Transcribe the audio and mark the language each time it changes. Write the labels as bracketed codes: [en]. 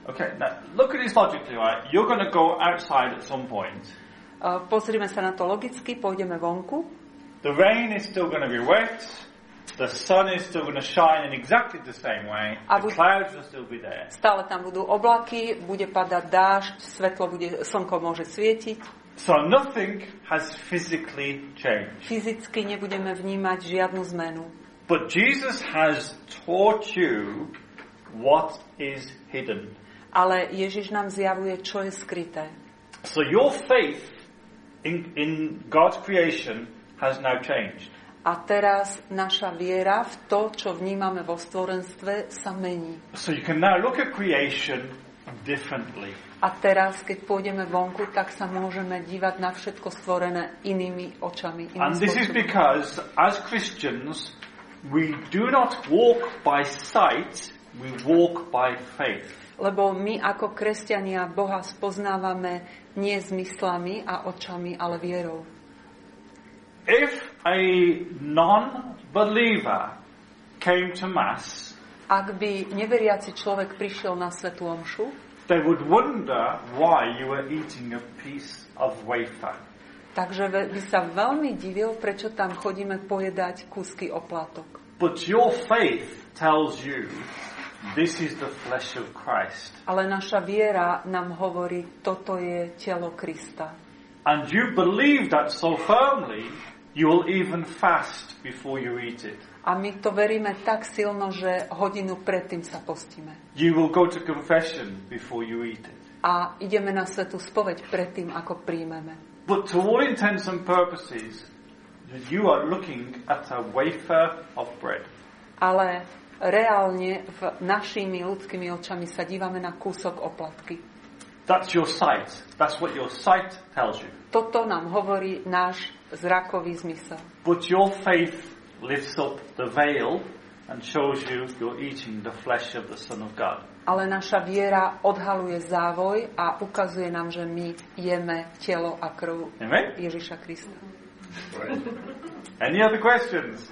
[en] Okay, now look at this logically, right? You're going to go outside at some point. [sk] Pozrime sa na to logicky, pôjdeme vonku. [en] The rain is still going to be wet. The sun is still going to shine in exactly the same way. The clouds will still be there. [sk] Stále tam budú oblaky, bude padať dážď, svetlo bude, slnko môže svietiť. [en] So nothing has physically changed. [sk] Fyzicky nebudeme vnímať žiadnu zmenu. [en] But Jesus has taught you what is hidden. [sk] Ale Ježiš nám zjavuje, čo je skryté. [en] So your faith in God's creation has now changed. [sk] A teraz naša viera v to, čo vnímame vo stvorenstve, sa mení. [en] So you can now look at creation differently. [sk] A teraz, keď pôjdeme vonku, tak sa môžeme dívať na všetko stvorené inými očami. [en] And this [sk] spôsobom. [en] Is because as Christians we do not walk by sight, we walk by faith. [sk] Lebo my ako kresťania Boha spoznávame nie zmyslami a očami, ale vierou. [en] If a non-believer came to mass, [sk] ak by neveriaci človek prišiel na svätú omšu, [en] they would wonder why you were eating a piece of wafer. [sk] Takže by sa veľmi divil, prečo tam chodíme pojedať kúsky oplatok. [en] But your faith tells you this is the flesh of Christ. [sk] Ale naša viera nám hovorí, toto je telo Krista. [en] And you believe that so firmly, you will even fast before you eat it. [sk] A my to veríme tak silno, že hodinu predtým sa postíme. [en] You will go to confession before you eat it. [sk] A ideme na svätú spoveď predtým, ako príjmeme. [en] But to all intents and purposes, you are looking at a wafer of bread. [sk] Ale reálne v našimi ľudskými očami sa dívame na kúsok oplatky. [en] That's your sight. That's what your sight tells you. [sk] Toto nám hovorí náš zrakový zmysel. [en] But your faith lifts up the veil and shows you you're eating the flesh of the Son of God. [sk] Ale naša viera odhaluje závoj a ukazuje nám, že my jeme telo a krv Ježiša Krista. [en] Right. Any other questions?